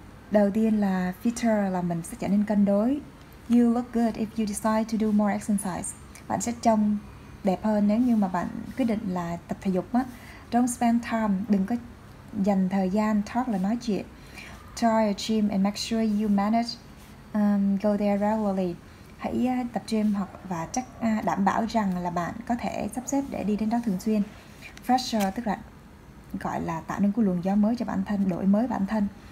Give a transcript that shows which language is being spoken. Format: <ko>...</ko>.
<vi>Đầu tiên là fitter, là mình sẽ trở nên cân đối.</vi> <en>You look good if you decide to do more exercise.</en> <vi>Bạn sẽ trông đẹp hơn nếu như mà bạn quyết định là tập thể dục á.</vi> <en>Don't spend time,</en> <vi>đừng có dành thời gian, talk là nói chuyện.</vi> <en>Try a gym and make sure you manage go there regularly.</en> <vi>Hãy tập gym hoặc và chắc đảm bảo rằng là bạn có thể sắp xếp để đi đến đó thường xuyên. Fresher, tức là gọi là tạo nên cái luồng gió mới cho bản thân, đổi mới bản thân.</vi>